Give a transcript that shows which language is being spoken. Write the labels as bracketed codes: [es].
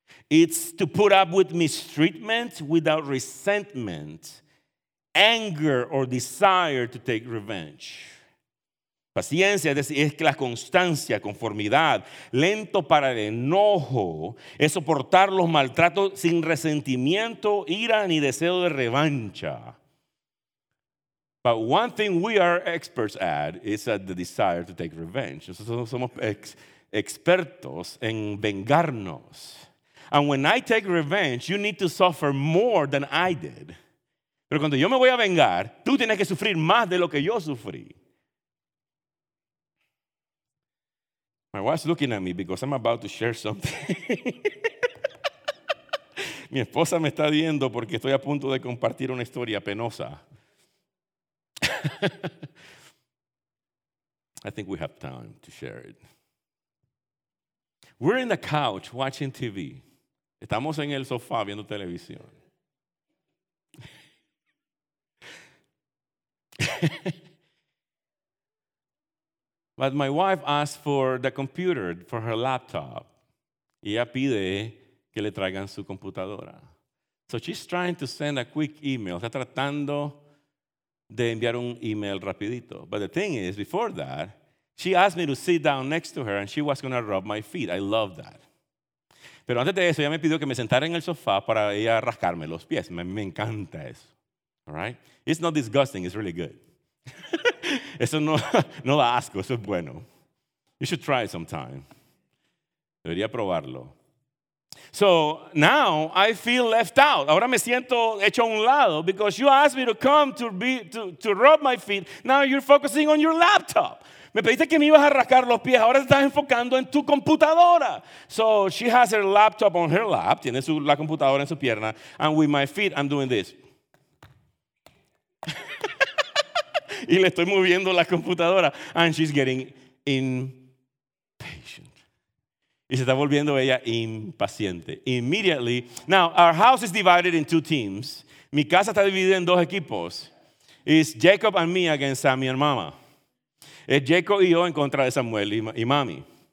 [en] It's to put up with mistreatment without resentment, anger, or desire to take revenge. [es] Paciencia es la constancia, conformidad. Lento para el enojo es soportar los maltratos sin resentimiento, ira, ni deseo de revancha. [en] But one thing we are experts at is at the desire to take revenge. [es] Nosotros somos expertos en vengarnos. [en] And when I take revenge, you need to suffer more than I did. [es] Pero cuando yo me voy a vengar, tú tienes que sufrir más de lo que yo sufrí. [en] My wife's looking at me because I'm about to share something. [es] Mi esposa me está viendo porque estoy a punto de compartir una historia penosa. [en] I think we have time to share it. We're in the couch watching TV. [es] Estamos en el sofá viendo televisión. [en] But my wife asked for the computer, for her laptop. [es] Y ella pide que le traigan su computadora. [en] So she's trying to send a quick email. [es] Está tratando de enviar un email rapidito. [en] But the thing is, before that, she asked me to sit down next to her and she was going to rub my feet. I love that. [es] Pero antes de eso, ella me pidió que me sentara en el sofá para ella rascarme los pies. Me encanta eso. [en] All right? It's not disgusting, it's really good. [es] Eso no da asco, eso es bueno. [en] You should try it sometime. [es] Debería probarlo. [en] So now I feel left out. [es] Ahora me siento hecho a un lado [en] because you asked me to come to rub my feet. Now you're focusing on your laptop. [es] Me pediste que me ibas a rascar los pies. Ahora te estás enfocando en tu computadora. [en] So she has her laptop on her lap. [es] Tiene la computadora en su pierna. [en] And with my feet, I'm doing this. [es] Y le estoy moviendo la computadora. [en] And she's getting impatient. [es] Y se está volviendo ella impaciente. [en] Immediately. Now, our house is divided in two teams. [es] Mi casa está dividida en dos equipos. [en] It's Jacob and me against Sammy and Mama. [es] Es Jacob y yo en contra de Samuel y mami.